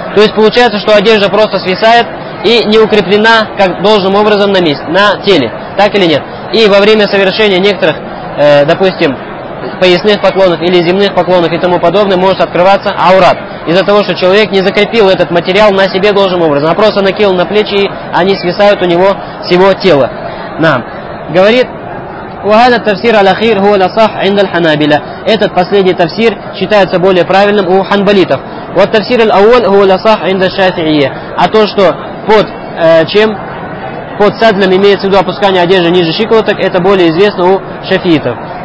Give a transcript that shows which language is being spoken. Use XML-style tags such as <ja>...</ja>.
<ru>То есть получается, что одежда просто свисает и не укреплена как должным образом на месте, на теле. Так или нет? И во время совершения некоторых, допустим, поясных поклонов или земных поклонов и тому подобное, может открываться аурат. Из-за того, что человек не закрепил этот материал на себе должным образом, а просто накинул на плечи, и они свисают у него с его тела. Нам. Говорит,</ru> <ar>وَهَذَا التَّفْسِيرَ الْأَخِيرُ هُوَ الْأَصَحُ عِنْدَ الْحَنَابِلَ.</ar> <ru>Этот последний тафсир считается более правильным у ханбалитов.</ru> <ar>وَالتَّفْسِيرَ الْأَوَّلُ هُوَ الْأَصَحُ عِنْدَ الشَّافِعِيَ.</ar> <ru>А то, что под чем? Под садлем имеется в виду опускание одежды ниже щиколоток, это более известно у шафиитов.</ru>